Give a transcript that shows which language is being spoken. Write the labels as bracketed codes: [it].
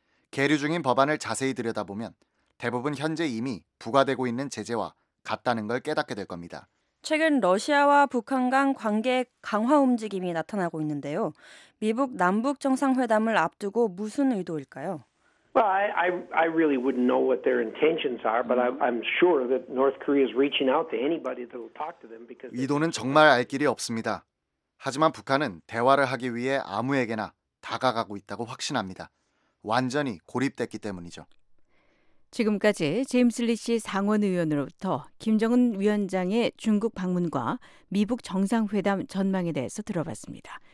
[ko] 계류 중인 법안을 자세히 들여다보면 대부분 현재 이미 부과되고 있는 제재와 같다는 걸 깨닫게 될 겁니다. 최근 러시아와 북한 간 관계 강화 움직임이 나타나고 있는데요. 미북 남북 정상회담을 앞두고 무슨 의도일까요? [en] Well, I really wouldn't know what their intentions are, but I'm sure that North Korea is reaching out to anybody that will talk to them because [ko] 의도는 정말 알 길이 없습니다. 하지만 북한은 대화를 하기 위해 아무에게나 다가가고 있다고 확신합니다. 완전히 고립됐기 때문이죠. 지금까지 제임스 리 씨 상원 의원으로부터 김정은 위원장의 중국 방문과 미북 정상회담 전망에 대해서 들어봤습니다.